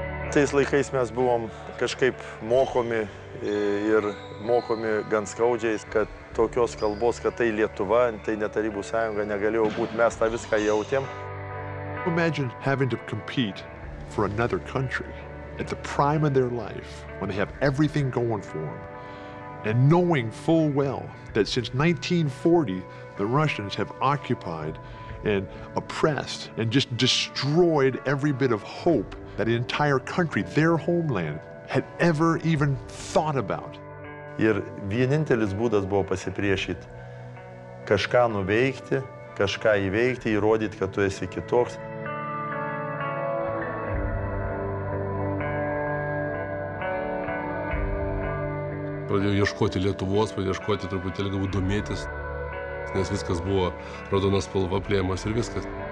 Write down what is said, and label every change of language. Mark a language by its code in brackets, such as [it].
[lt] Tais laikais mes buvom kažkaip mokomi ir mokomi gan skaudžiai, kad tokios kalbos, kad tai Lietuva, tai ne Tarybų sąjunga, negalėjo būti, mes tą viską jautėm. [en] Imagine having to compete for another country at the prime of their life, when they have everything going for them, and knowing full well that since 1940, the Russians have occupied and oppressed and just destroyed every bit of hope that the entire country, their homeland, had ever even thought about. [lt] Ir vienintelis būdas buvo pasipriešyti, kažką nuveikti, kažką įveikti, įrodyti, kad tu esi kitoks. Pradėjau ieškoti Lietuvos, pradėjau ieškoti truputėlį, galbūt domėtis, nes viskas buvo raudonas spalva, plėjimas ir viskas.